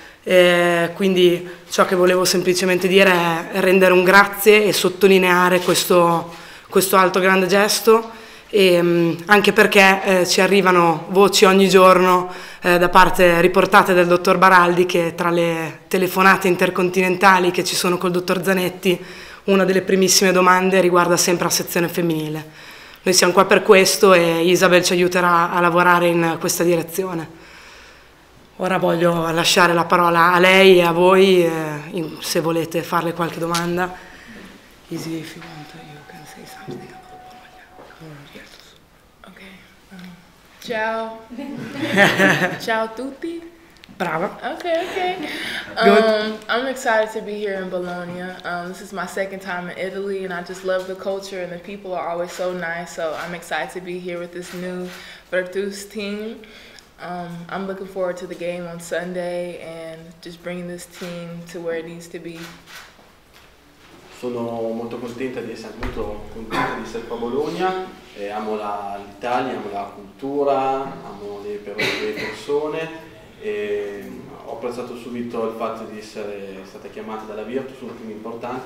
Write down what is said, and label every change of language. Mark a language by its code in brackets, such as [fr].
[it] Quindi ciò che volevo semplicemente dire è rendere un grazie e sottolineare questo altro grande gesto, e anche perché ci arrivano voci ogni giorno da parte riportate del dottor Baraldi, che tra le telefonate intercontinentali che ci sono col dottor Zanetti, una delle primissime domande riguarda sempre la sezione femminile. Noi siamo qua per questo e Isabel ci aiuterà a lavorare in questa direzione. Ora voglio lasciare la parola a lei e a voi, se volete farle qualche domanda. [en] Easy if you want, you can say something about Bologna. Yes. [it] Ok. Ciao. Ciao a tutti. Brava. [en] Ok, ok. Good. I'm excited to be here in Bologna. This is my second time in Italy and I just love the culture and the people are always so nice. So I'm excited to be here with this new Virtus team. I'm looking forward to the game on Sunday and just bringing this team to where it needs to be. [it] Sono molto contenta di essere molto contenta di essere qua a Bologna. Amo l'Italia, amo la cultura, amo le persone. Ho apprezzato subito il fatto di essere stata chiamata dalla Virtus, un team importante.